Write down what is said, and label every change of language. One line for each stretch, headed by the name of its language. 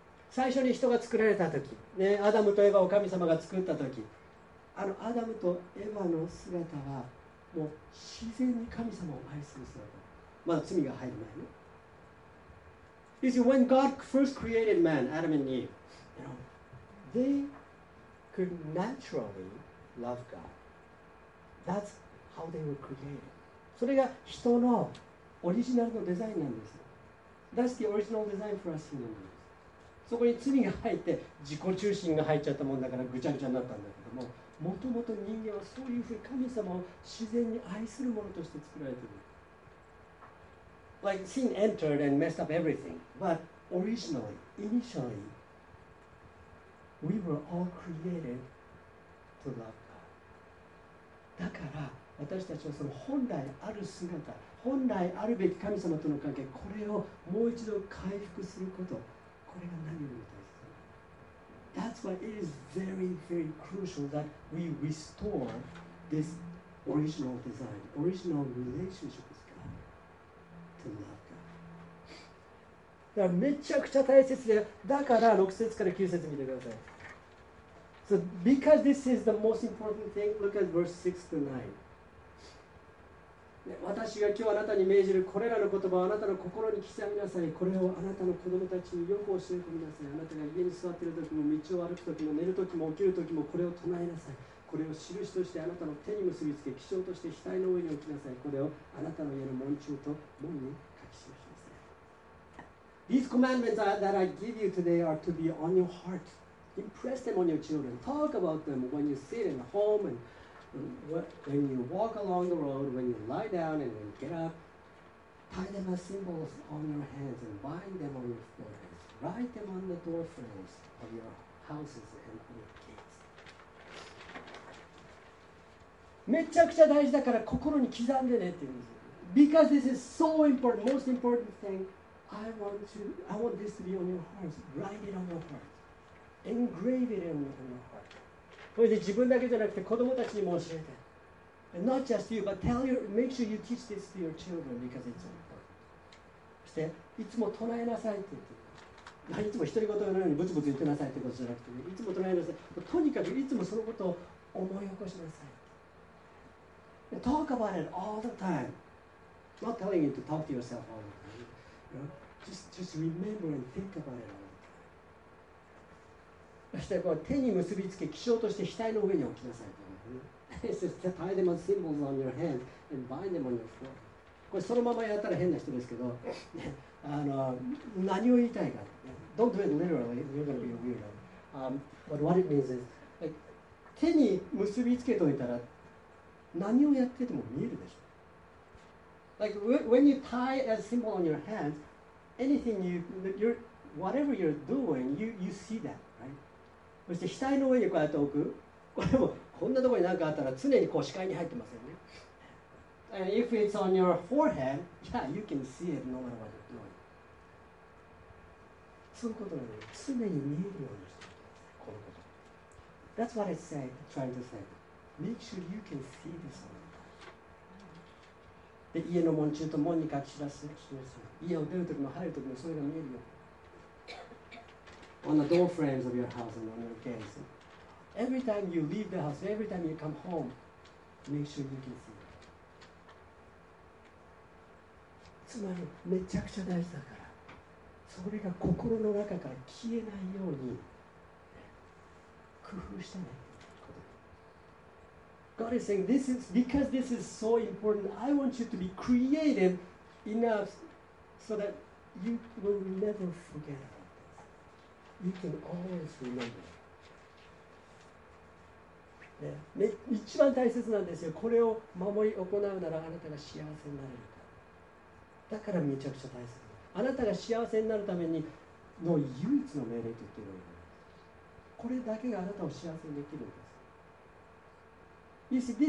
Japanese: 最初に人が作られたとき、ね、アダムとエヴァを神様が作ったとき、あのアダムとエヴァの姿はもう自然に神様を愛する姿、まだ罪が入る前ね。
English: You see, when God first created man, Adam and Eve, you know, they could naturally love God. That's how they were created.
Japanese: それが人のオリジナルのデザインなんです。
English: That's the original design for us human beings.
Japanese: そこに罪が入って自己中心が入っちゃったもんだからぐちゃぐちゃになったんだけども、もともと人間はそういうふうに神様を自然に愛するものとして作られている。
English: Like sin entered and messed up everything, but originally, initially, we were all created to love God.
Japanese: だから私たちはその本来ある姿、本来あるべき神様との関係、これをもう一度回復すること、これが何よりも大切。
English: That's why it is very, very crucial that we restore this original design, original relationship with God, to love God.
Japanese: だからめちゃくちゃ大切で、だから6節から9節見てください。
English: So because this is the most important thing, look at verse 6 to 9.
Japanese: 私が今日あなたに命じるこれらの言葉をあなたの心に刻みなさい。これをあなたの子供たちによく教え込みなさい。あなたが家に座っている時も、道を歩く時も、寝る時も、起きる時もこれを唱えなさい。これを印としてあなたの手に結びつけ、記章として額の上に置きなさい。これをあなたの家の門中と門に書き記しなさい。
English: These commandments that I give you today are to be on your heart. Impress them on your children. Talk about them when you sit in the home andWhen you walk along the road, when you lie down and when you get up, tie them as symbols on your hands and bind them on your foreheads. Write them on the door frames of your houses and on your gates.
Japanese: めちゃくちゃ大事だから心に刻んでねって言うんですよ。
English: Because this is so important, most important thing, I want this to be on your hearts. Write it on your heart. Engrave it on your heart.
Japanese: それで自分だけじゃなくて子供たちにも教えて。
English: And not just you, but tell your, make sure you teach this to your children because it's important.
Japanese: そして、いつも唱えなさいって言って。いつも独り言のようにブツブツ言ってなさいってことじゃなくて、ね、いつも唱えなさい。とにかくいつもそのことを思い起こしなさい。
English: And talk about it all the time. Not telling you to talk to yourself all the time. Just remember and think about it all.
Japanese: そしてこう手に結びつけ、記章として額の上に置きなさいと。そして、
English: tie them as symbols on your hand and bind them on your forehead.
Japanese: これそのままやったら変な人ですけど、あの何を言いたいか。
English: Don't do it literally, you're going to be a weirdo. But what it means is, like,
Japanese: 手に結びつけといたら何をやってても見えるでしょ。
English: Like, when you tie a symbol on your hand, anything you, you're, whatever you're doing, you see that.
Japanese: そして額の上にこうやって置く。これもこんなところに何かあったら常にこう視界に入ってますよね。
English: And if it's on your forehead, yeah, you can see it no matter what you're doing.
Japanese: そういうことなのに常に見えるようにしてこのこと。
English: That's what it's saying, trying to say. Make sure you can see this on your forehead.
Japanese: で、家の門中と門に書き知らせします。家を出るときも入るときもそれが見えるよ。
English: On the door frames of your house and on your gates. Every time you leave the house, every time you come home, make sure you can see it.
Japanese: つまりめちゃくちゃ大事だから、それが心の中から消えないように工夫したね。
English: God is saying, this is because this is so important. I want you to be creative enough so that you will never forget about this. You can always remember.
Japanese: ね、一番大切なんですよ。これを守り行うならあなたが幸せになれるか。だからめちゃくちゃ大切。あなたが幸せになるためにの唯一の命令と言っているのです。これだけがあなたを幸せにできるんです。